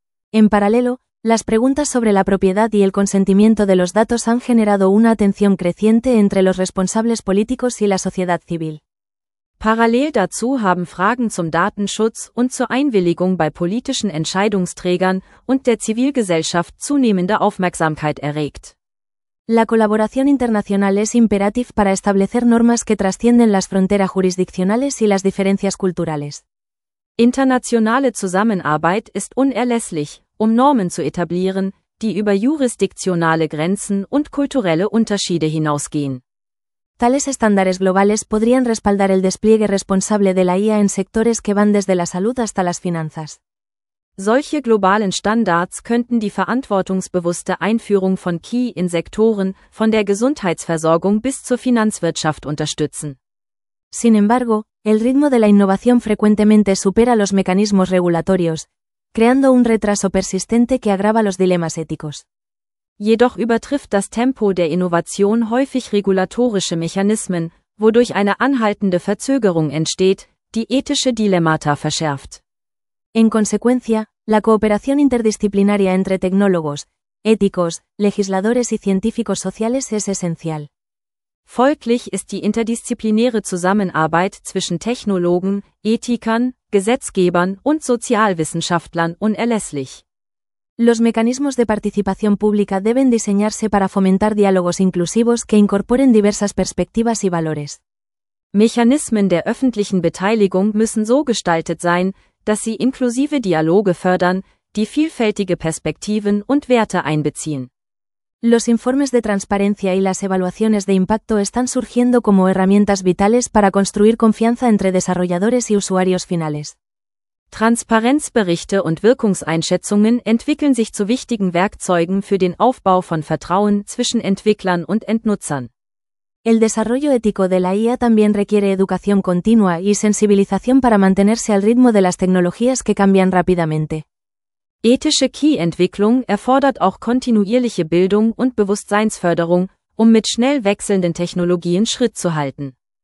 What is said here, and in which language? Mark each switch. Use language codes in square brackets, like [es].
[es] En paralelo, las preguntas sobre la propiedad y el consentimiento de los datos han generado una tensión creciente entre los responsables políticos y la sociedad civil. [de] Parallel dazu haben Fragen zum Datenschutz und zur Einwilligung bei politischen Entscheidungsträgern und der Zivilgesellschaft zunehmende Aufmerksamkeit erregt. [es] La colaboración internacional es imperativ para establecer normas que trascienden las fronteras jurisdiccionales y las diferencias culturales. [de] Internationale Zusammenarbeit ist unerlässlich, um Normen zu etablieren, die über jurisdiktionale Grenzen und kulturelle Unterschiede hinausgehen. [es] Tales estándares globales podrían respaldar el despliegue responsable de la IA en sectores que van desde la salud hasta las finanzas. [de] Solche globalen Standards könnten die verantwortungsbewusste Einführung von KI in Sektoren von der Gesundheitsversorgung bis zur Finanzwirtschaft unterstützen. [es] Sin embargo, el ritmo de la innovación frecuentemente supera los mecanismos regulatorios, creando un retraso persistente que agrava los dilemas éticos. [de] Jedoch übertrifft das Tempo der Innovation häufig regulatorische Mechanismen, wodurch eine anhaltende Verzögerung entsteht, die ethische Dilemmata verschärft. [es] En consecuencia, la cooperación interdisciplinaria entre tecnólogos, éticos, legisladores y científicos sociales es esencial. [de] Folglich ist die interdisziplinäre Zusammenarbeit zwischen Technologen, Ethikern, Gesetzgebern und Sozialwissenschaftlern unerlässlich. [es] Los mecanismos de participación pública deben diseñarse para fomentar diálogos inclusivos que incorporen diversas perspectivas y valores. [de] Mechanismen der öffentlichen Beteiligung müssen so gestaltet sein, dass sie inklusive Dialoge fördern, die vielfältige Perspektiven und Werte einbeziehen. [es] Los informes de transparencia y las evaluaciones de impacto están surgiendo como herramientas vitales para construir confianza entre desarrolladores y usuarios finales. [de] Transparenzberichte und Wirkungseinschätzungen entwickeln sich zu wichtigen Werkzeugen für den Aufbau von Vertrauen zwischen Entwicklern und Endnutzern. [es] El desarrollo ético de la IA también requiere educación continua y sensibilización para mantenerse al ritmo de las tecnologías que cambian rápidamente. [de] Ethische KI-Entwicklung erfordert auch kontinuierliche Bildung und Bewusstseinsförderung, um mit schnell wechselnden Technologien Schritt zu halten.